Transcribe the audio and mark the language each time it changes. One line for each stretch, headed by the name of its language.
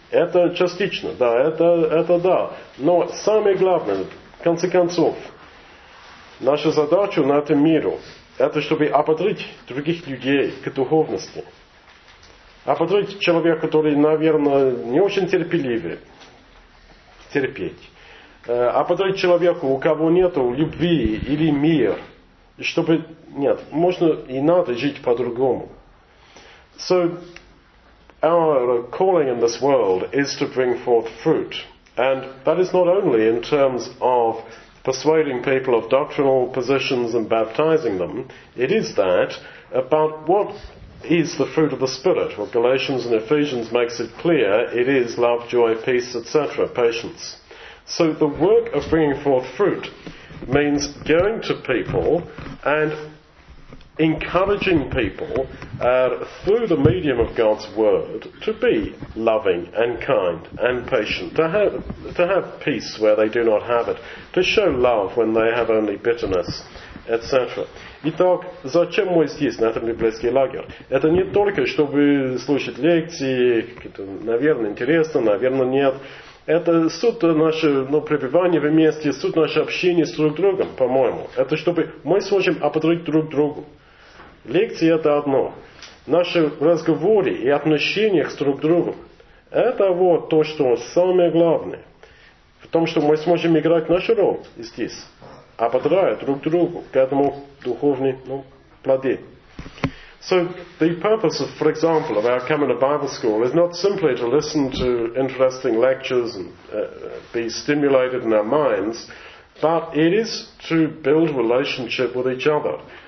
Russian: Это частично, да, это да. Но самое главное, в конце концов, наша задача на этом миру, это чтобы ободрить других людей к духовности. Ободрить человека, который, наверное, не очень терпеливый, терпеть. А подарить человеку, у кого нету любви или мир, чтобы, нет, можно и надо жить по-другому.
English: So, our calling in this world is to bring forth fruit. And that is not only in terms of persuading people of doctrinal positions and baptizing them. It is that about what is the fruit of the Spirit. What Galatians and Ephesians makes it clear, it is love, joy, peace, etc., patience. So the work of bringing forth fruit means going to people and encouraging people through the medium of God's word to be loving and kind and patient, to have peace where they do not have it, to show love when they have only bitterness, etc.
Russian: Итак, зачем мы здесь, на этом библейский лагерь? Это не только чтобы слушать лекции, какие-то, наверное, интересно, наверное, нет. Это суть нашего пребывания вместе, суть нашего общения с друг другом, по-моему. Это чтобы мы сможем ободрить друг друга. Лекции – это одно. Наши разговоры и отношения с друг другом – это вот то, что самое главное. В том, что мы сможем играть нашу роль здесь, ободрая друг другу к этому духовной плоде.
English: So the purpose of, for example, of our coming to Bible school is not simply to listen to interesting lectures and be stimulated in our minds, but it is to build relationship with each other.